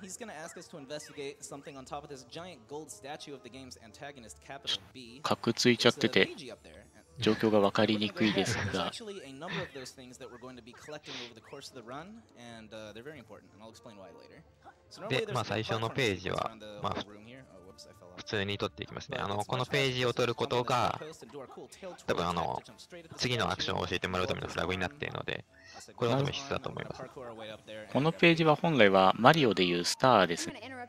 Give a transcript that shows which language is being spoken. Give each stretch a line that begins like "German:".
English: He's gonna ask us to investigate something on top of this giant gold statue of the game's antagonist, Capital B.
Japanese: かくついちゃってて、状況がわかりにくいですが。
English: Actually, a number of those things that we're going to be collecting over the course of the run, and they're very important, and I'll explain why later.
Japanese: で、まあ最初のページは、まあ普通に撮っていきますね。このページを撮ることが、多分次のアクションを教えてもらうためのフラグになっているので。これは必須だと思います。このページは本来はマリオでいうスターですね。